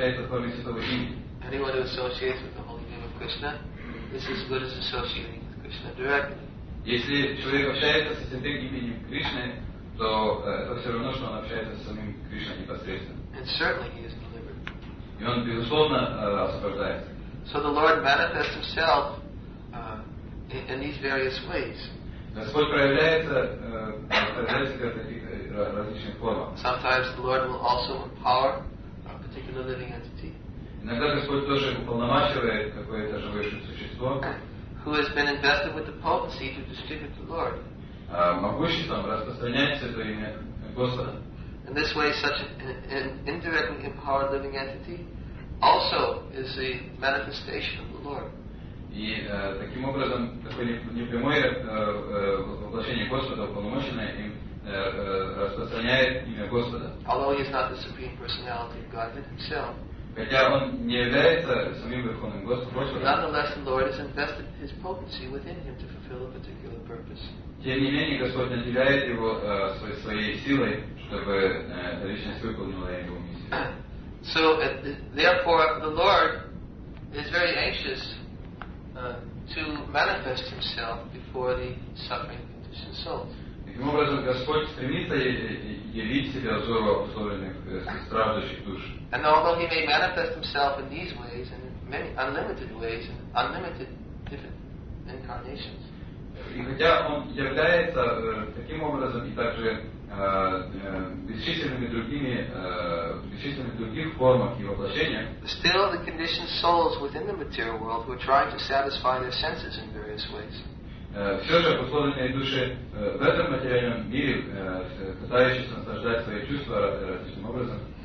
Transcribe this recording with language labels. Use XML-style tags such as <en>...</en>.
<en>Anyone who associates with the holy name of Krishna, this is as good as associating with Krishna directly.</en> <ru>Если человек общается с этим именем Кришны, то это все равно, что он общается с самим Кришной непосредственно.</ru> <en>And certainly he is delivered.</en> <ru>И он безусловно освобождается.</ru> <en>So the Lord manifests himself in these various ways.</en> <ru>Господь проявляется в различных формах.</ru> <en>Sometimes the Lord will also empower a particular living entity.</en> <ru>Иногда Господь тоже уполномачивает какое-то живое существо.</ru> <en>Who has been invested with the potency to distribute the Lord.</en> <ru>Могуществом распространять святое имя Господа.</ru> <en>In this way, such an indirectly empowered living entity also is a manifestation of the Lord.</en> <ru>И таким образом такое непрямое воплощение Господа, уполномоченное им, распространяет имя Господа.</ru> <en>Although he is not the supreme personality of Godhead himself.</en> <ru>Хотя он не является самим Верховным Господом.</ru> <en>Nonetheless, the Lord has invested his potency within him to fulfill a particular purpose.</en> <ru>Тем не менее, Господь наделяет его своей силой, чтобы личность выполнила его миссию.</ru> <en>So, therefore, the Lord is very anxious to manifest himself before the suffering conditioned souls.</en> <ru>Таким образом, Господь стремится явить себя взору обусловленных страждущих душ.</ru> <en>And although he may manifest himself in these ways and in many unlimited ways and unlimited different incarnations.</en> <ru>И хотя он является таким образом и также бесчисленными других формах и воплощениях.</ru> <en>Still, the conditioned souls within the material world who are trying to satisfy their senses in various ways.</en> <ru>Все же обусловленные души в этом материальном мире, пытающиеся наслаждать свои чувства различным образом.</ru>